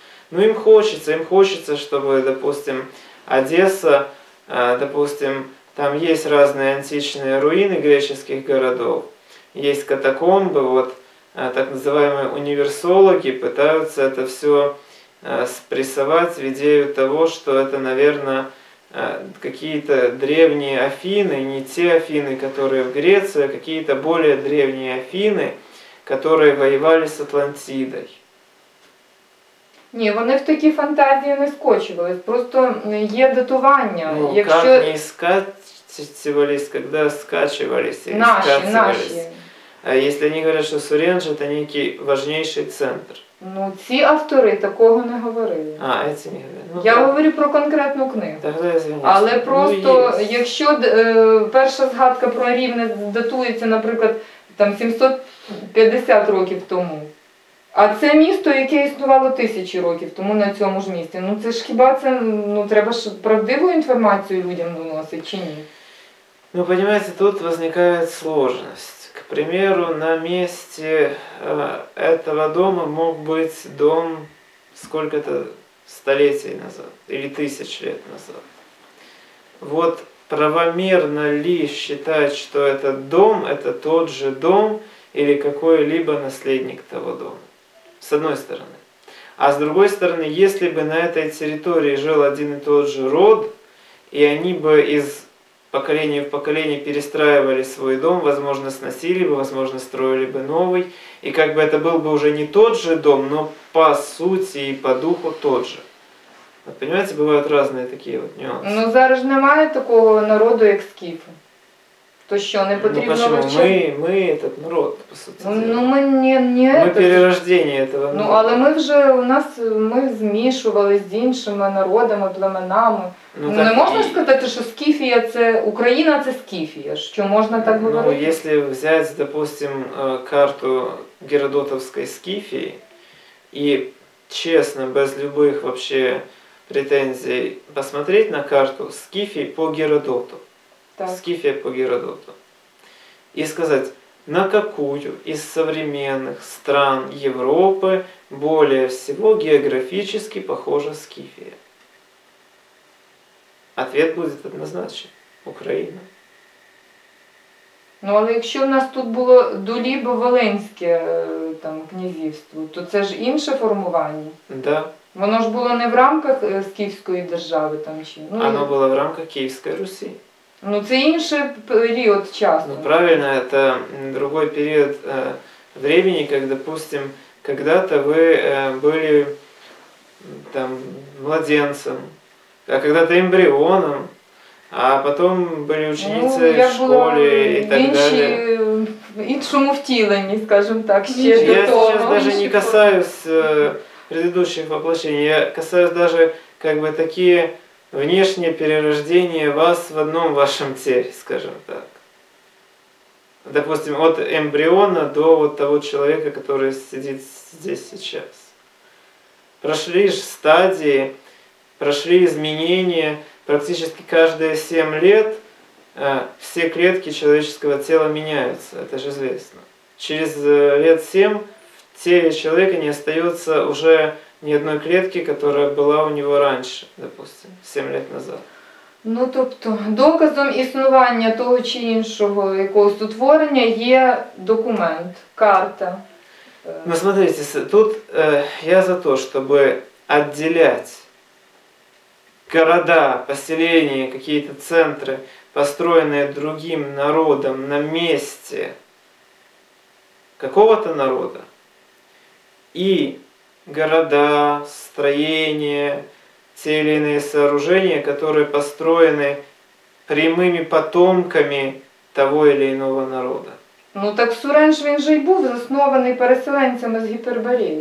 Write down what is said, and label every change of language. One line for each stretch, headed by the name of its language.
Russian: Ну им хочется, чтобы, допустим, Одесса, допустим, там есть разные античные руины греческих городов, есть катакомбы, вот, так называемые универсологи пытаются это все спрессовать в идею того, что это, наверное, какие-то древние Афины, не те Афины, которые в Греции, а какие-то более древние Афины, которые воевали с Атлантидой.
Ukrainian: Ні, вони в такі фантазії не скочувались, просто є датування. Ну, якщо... Як не скачувались, коли скачувались? Наші.
Russian: Если они говорят, что Сурендж – это некий важнейший центр.
Ukrainian: Ну, ці автори такого не говорили.
Russian: А, эти не говорили.
Ukrainian: Ну, я говорю про конкретну книгу.
Russian: Тогда извините.
Ukrainian: Але просто, якщо перша згадка про Рівне датується, наприклад, там 750 років тому, а це місто, яке існувало тисячі років тому на цьому ж місці, ну це ж хіба це, ну треба ж правдиву інформацію людям доносити, чи ні?
Russian: Ну, понимаете, тут возникает сложность. К примеру, на месте этого дома мог быть дом сколько-то столетий назад или тысяч лет назад. Вот правомерно ли считать, что этот дом – это тот же дом или какой-либо наследник того дома? С одной стороны. А с другой стороны, если бы на этой территории жил один и тот же род, и они бы из поколение в поколение перестраивали свой дом, возможно, сносили бы, возможно, строили бы новый. И как бы это был бы уже не тот же дом, но по сути и по духу тот же. Вот понимаете, бывают разные такие вот нюансы.
Ukrainian: Ну, зараз немає такого народу, як скіфи. То що, не потрібно вивчати?
Russian: Ну, почему? Мы этот народ, по сути дела. Ну, мы не это. Мы перерождение этого народа.
Ukrainian: Ну, але мы вже, у нас, мы змішувались з іншими народами, племенами. Ну, не можна сказати, що Скіфія – це Україна – це Скіфія, що можна так говорити? Ну, якщо взяти, допустим, карту Геродотовської Скіфії і чесно, без будь-яких вообще претензій,
Russian: посмотреть на карту Скіфії по Геродоту, Скіфія по Геродоту, і сказати, на какую из современных стран Европы более всего географически похожа Скіфія? Ответ будет однозначен – Украина.
Ukrainian: Ну, але якщо в нас тут було Дуліб-Волинське там, князівство, то це ж інше формування.
Russian: Да.
Ukrainian: Воно ж було не в рамках скіфської держави там чи? Ну, оно було в рамках Київської Русі. Ну, це інший період часу. Ну, правильно,
Russian: це другой період времени, як, допустим, когда-то ви були там младенцем, а когда-то эмбрионом, а потом были ученицы ну, в школе и так далее.
Ukrainian: Иншому втілені, скажем так, ще до того.
Russian: Я сейчас даже не касаюсь предыдущих воплощений, я касаюсь даже как бы такие внешние перерождения вас в одном вашем теле, скажем так. допустим, от эмбриона до вот того человека, который сидит здесь сейчас. Прошли же стадии, прошли изменения, практически каждые 7 лет все клетки человеческого тела меняются, это же известно. Через лет 7 в теле человека не остается уже ни одной клетки, которая была у него раньше, допустим, 7 лет назад.
Ukrainian: Ну, тобто, доказом існування того чи іншого якогось утворення є документ, карта.
Russian: Ну, смотрите, тут я за то, чтобы отделять города, поселения, какие-то центры, построенные другим народом на месте какого-то народа, и города, строения, те или иные сооружения, которые построены прямыми потомками того или иного народа.
Ukrainian: Ну так Сурендж, він же и був заснований переселенцями з Гіперборії.